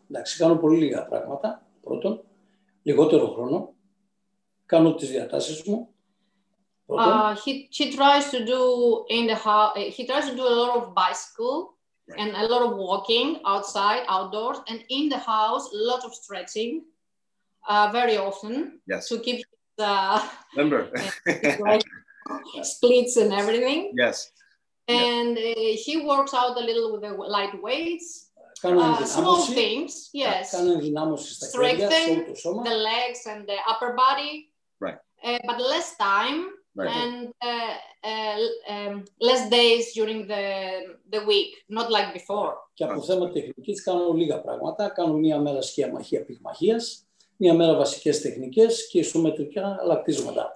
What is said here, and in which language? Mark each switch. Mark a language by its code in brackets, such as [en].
[el] Εντάξει, κάνω πολύ λίγα πράγματα, πρώτον. Λιγότερο χρόνο. Κάνω τις διατάσεις μου. [en] He tries to do a lot of bicycle, right, and a lot of walking outside, outdoors, and in the house, a lot of stretching. Very often. Yes. To keep the member splits and everything. Yes. And he works out a little with the light weights. Small things. Yes. Strengthen the legs and the upper body. Right. But less time right. and less days during the week, not like before. [el] Και από θέμα τεχνικής κάνω λίγα πράγματα. Κάνω μία μέρα σκιαμαχία πυγμαχίας, μία μέρα βασικές τεχνικές και ισομετρικά λακτίσματα.